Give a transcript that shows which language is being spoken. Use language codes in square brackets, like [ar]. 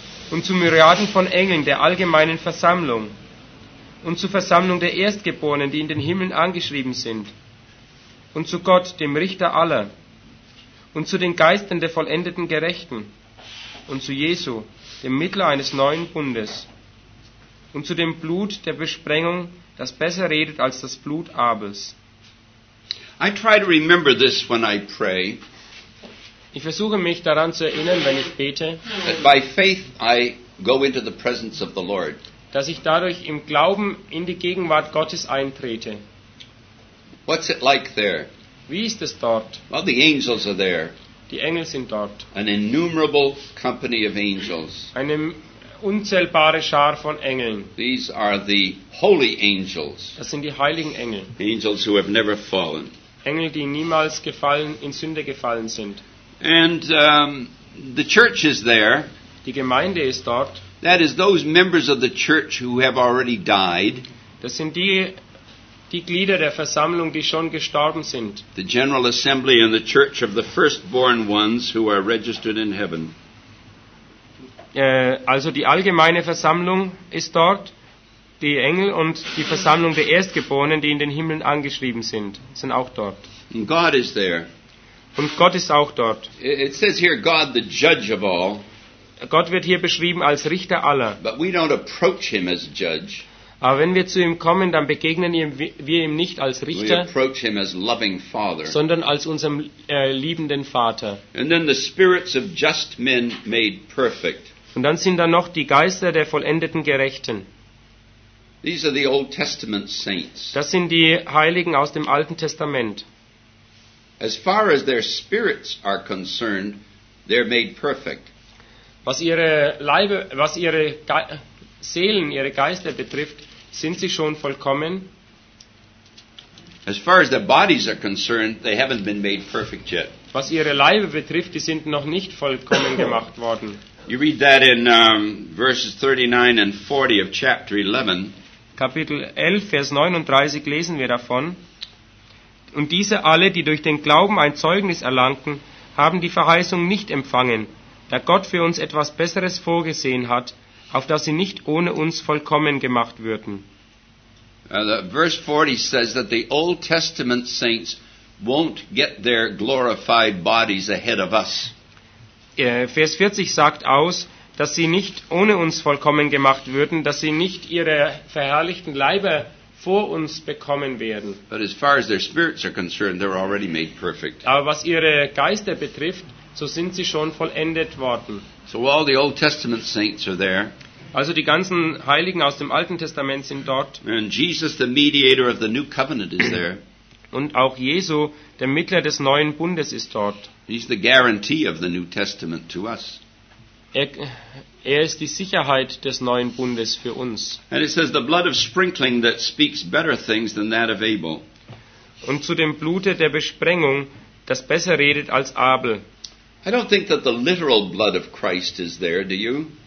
[de] und zu Myriaden von Engeln der allgemeinen Versammlung und zur Versammlung der Erstgeborenen, die in den Himmeln angeschrieben sind, und zu Gott, dem Richter aller, und zu den Geistern der vollendeten Gerechten, und zu Jesu, dem Mittler eines neuen Bundes, und zu dem Blut der Besprengung, das besser redet als das Blut Abels. [en] I try to remember this when I pray. [de] Ich versuche mich daran zu erinnern, wenn ich bete. [en] That by faith I go into the presence of the Lord. [de] Dass ich dadurch im Glauben in die Gegenwart Gottes eintrete. [en] What's it like there? [de] Wie ist es dort? [en] Well, the angels are there. [de] Die Engel sind dort. [en] An innumerable company of angels. [de] Eine unzählbare Schar von Engeln. [en] These are the holy angels. [de] Das sind die heiligen Engel. [en] Angels who have never fallen. [de] Engel, die niemals in Sünde gefallen sind. [en] And the church is there. [de] Die Gemeinde ist dort. [en] That is those members of the church who have already died. [de] Das sind die Glieder der Versammlung, die schon gestorben sind. [en] The General Assembly and the Church of the Firstborn Ones who are registered in heaven. [de] Also die allgemeine Versammlung ist dort, die Engel und die Versammlung der Erstgeborenen, die in den Himmeln angeschrieben sind, sind auch dort. [en] And God is there. [de] Und Gott ist auch dort. [en] It says here, God, the judge of all. [de] Gott wird hier beschrieben als Richter aller. [en] But we don't approach him as judge. [de] Aber wenn wir zu ihm kommen, dann begegnen wir ihm nicht als Richter, [en] we approach him as loving father. [de] Sondern als unserem liebenden Vater. [en] And then the spirits of just men made perfect. [de] Und dann sind da noch die Geister der vollendeten Gerechten. [en] These are the Old Testament saints. [de] Das sind die Heiligen aus dem Alten Testament. [en] As far as their spirits are concerned, they're made perfect. [de] Was ihre Seelen, ihre Geister betrifft, sind sie schon vollkommen. [en] As far as their bodies are concerned, they haven't been made perfect yet. [de] Was ihre Leibe betrifft, die sind noch nicht vollkommen gemacht worden. [en] You read that in verses 39 and 40 of chapter 11. [de] Kapitel 11, Vers 39 lesen wir davon. Und diese alle, die durch den Glauben ein Zeugnis erlangten, haben die Verheißung nicht empfangen, da Gott für uns etwas Besseres vorgesehen hat, auf dass sie nicht ohne uns vollkommen gemacht würden. [en] Verse 40 says that the Old Testament saints won't get their glorified bodies ahead of us. [de] Vers 40 sagt aus, dass sie nicht ohne uns vollkommen gemacht würden, dass sie nicht ihre verherrlichten Leiber vor uns bekommen werden. [en] But as far as their spirits are concerned, they're already made perfect. [de] Aber was ihre Geister betrifft, so sind sie schon vollendet worden. [en] So all the Old Testament saints are there. [de] Also die ganzen Heiligen aus dem Alten Testament sind dort. [en] And Jesus, the mediator of the new covenant, is there. [de] Und auch Jesu, der Mittler des neuen Bundes, ist dort. [en] He's the guarantee of the New Testament to us. [de] Er ist die Sicherheit des neuen Bundes für uns. [en] And it says the blood of sprinkling that speaks better things than that of Abel. [de] Und zu dem Blute der Besprengung, das besser redet als Abel. [en] I don't think that the literal blood of Christ is there, do you?